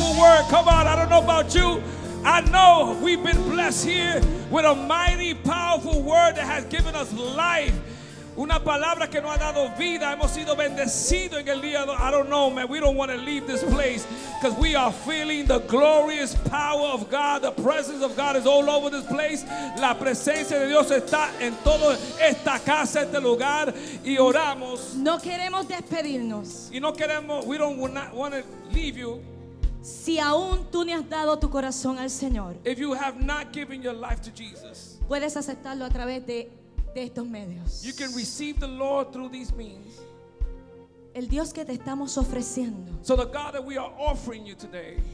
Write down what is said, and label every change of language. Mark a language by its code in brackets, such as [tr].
[en] I know we've been blessed here with a mighty, powerful word that has given us life. [es] Una palabra que nos ha dado vida. Hemos sido bendecidos en el día. [en] I don't know, man. We don't want to leave this place because we are feeling the glorious power of God. The presence of God is all over this place. [es] La presencia de Dios está en toda esta casa, este lugar. Y oramos. No queremos despedirnos. Y no queremos, [en] we don't want to leave you. [es] Si aún tú no has dado tu corazón al Señor. [en] If you have not given your life to Jesus. [es] Puedes aceptarlo a través de estos medios. [en] You can receive the Lord through these means. [es] El Dios que te estamos ofreciendo. [en] So the God that we are offering you today.